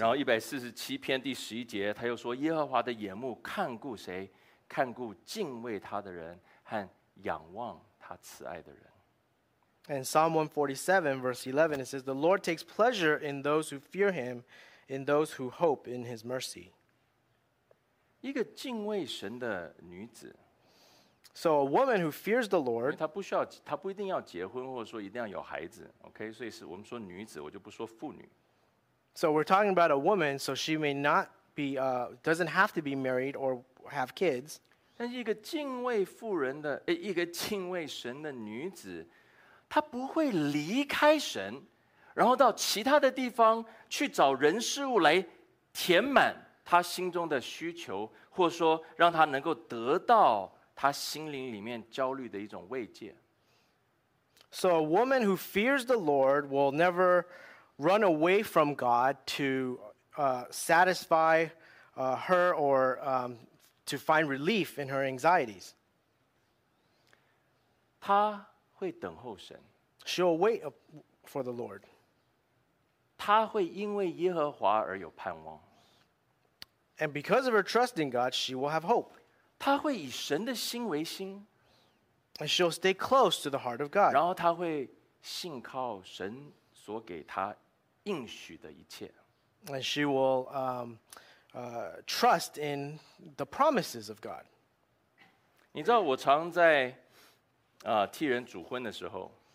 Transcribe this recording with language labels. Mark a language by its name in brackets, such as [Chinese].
[Chinese] 然后147篇第11节，他又说：“耶和华的眼目看顾谁？看顾敬畏他的人和仰望他慈爱的人。”And [English] Psalm 147 verse 11, it says, "The Lord takes pleasure in those who fear him, in those who hope in his mercy." [Chinese] 一个敬畏神的女子, [English] so a woman who fears the Lord, [Chinese] 因为她不需要, 她不一定要结婚, 或者说一定要有孩子, okay? 所以是我们说女子, 我就不说妇女。 [English] So we're talking about a woman, so she may not be, doesn't have to be married or have kids. [Chinese] 但是一个敬畏妇人的, 一个敬畏神的女子, 她不会离开神, 然后到其他的地方去找人事物来填满她心中的需求, 或者说让她能够得到她心灵里面焦虑的一种慰藉。 [English] So a woman who fears the Lord will never run away from God to satisfy her or to find relief in her anxieties. [Chinese] 她会等候神, [English] she'll wait for the Lord. [Chinese] 她会因为耶和华而有盼望, [English] and because of her trust in God, she will have hope. [Chinese] 她会以神的心为心, [English] and she'll stay close to the heart of God. [Chinese] 然后她会信靠神所给她 [English] and she will trust in the promises of God. [Chinese] 你知道我常在, 替人主婚的时候,